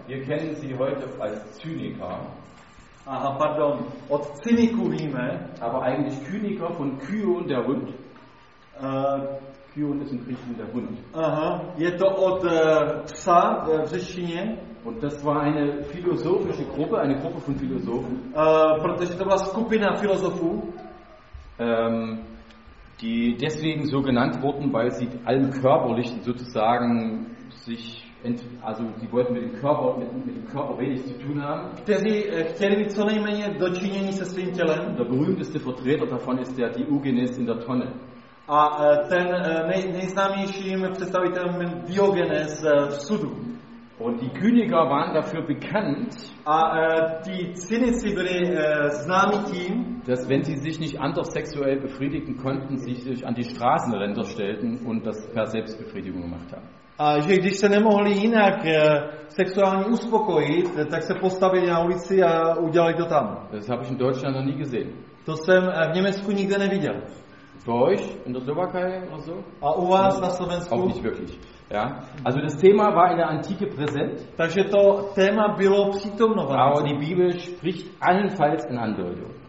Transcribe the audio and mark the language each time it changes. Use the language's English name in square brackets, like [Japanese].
[German] Wir kennen sie heute als Zyniker. [Czech] Aha, pardon. Od cyniku víme. [German] Aber eigentlich Kyniker von Kyon, der Hund. Kyon ist im Griechischen der Hund. [Czech] Aha, je to od psa v řečtině. [German] Und das war eine philosophische Gruppe, eine Gruppe von Philosophen. [Czech] Protože to byla skupina filozofů. [German] Die deswegen so genannt wurden, weil sie allem Körperlichen sozusagen sich also sie wollten mit dem Körper wenig zu tun haben. [Czech] Kteří chtěli mít co nejméně dočinění se svým tělem. [German] Der berühmteste Vertreter davon ist der Diogenes in der Tonne. [Czech] A ten nejznámějším představitelem Diogenes v sudu. [German] Und die Kyniker waren dafür bekannt, [Czech] die Cynici byli známi tím, [German] dass wenn sie sich nicht anders sexuell befriedigen konnten, sie sich an die Straßenränder stellten und das per Selbstbefriedigung gemacht haben. [Czech] A že když se nemohli jinak sexuálně uspokojit, tak se postavili na ulici a udělali to tam. [German] Das habe ich in Deutschland noch nie gesehen. [Czech] To jsem v Německu nikde neviděl. [German] Bei euch in der Slowakei oder so? [Czech] A u vás na Slovensku? [German] Auch nicht wirklich. Ja. Also das Thema war in der Antike präsent. [Czech] Takže to téma bylo přítomno. [German] Aber die Bibel spricht allenfalls in Andeutung.